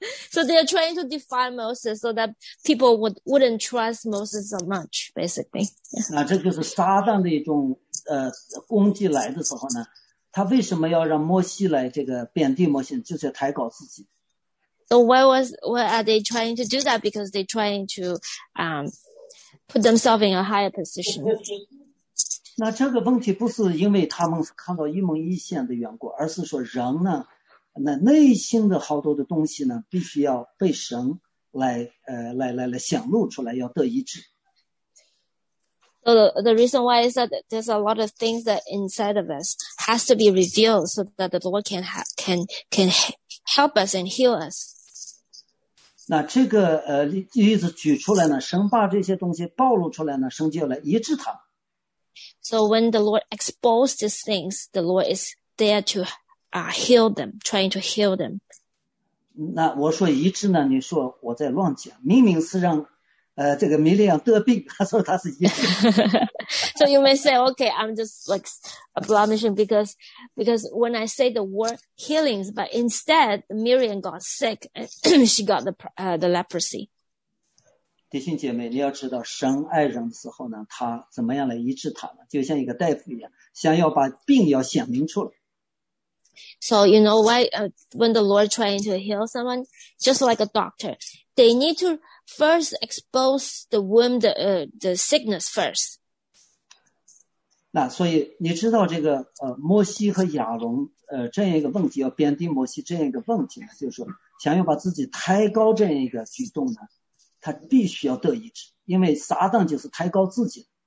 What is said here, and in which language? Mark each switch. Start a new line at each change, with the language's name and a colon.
English: So they are trying to defy Moses so that people wouldn't trust Moses so much, basically.
Chinese: 那这就是撒旦的一种攻击来的时候呢，他为什么要让摩西来这个贬低摩西，就是抬高自己。
English: So why are they trying to do that? Because they're trying to put themselves in a higher position.
Chinese: 那这个问题不是因为他们看到一梦一现的缘故，而是说人呢，那内心的好多的东西呢，必须要被神来显露出来，要得医治。
English: So the reason why is that there's a lot of things that inside of us has to be revealed so that the Lord can help us and heal us.
Chinese: 那这个例子举出来呢，神把这些东西暴露出来呢，神就要来医治他们。
English: So when the Lord exposes these things, the Lord is there to heal them, trying to heal them.
Chinese: 那我说医治呢，你说我在乱讲，明明是让这个米利亚得病，他说他是医治。
English: So you may say, okay, I'm just like a blemishing because when I say the word healings, but instead Miriam got sick and she got the leprosy.
Chinese: 弟兄姐妹，你要知道神爱人的时候呢，他怎么样来医治他呢？就像一个大夫一样，想要把病要显明出来。
English: So you know why, when the Lord trying to heal someone, just like a doctor, they need to first expose the wound, the sickness first.
Chinese: 那所以你知道这个摩西和亚伦这样一个问题，要贬低摩西这样一个问题，就是说想要把自己抬高这样一个举动呢，他必须要得医治，因为撒旦就是抬高自己。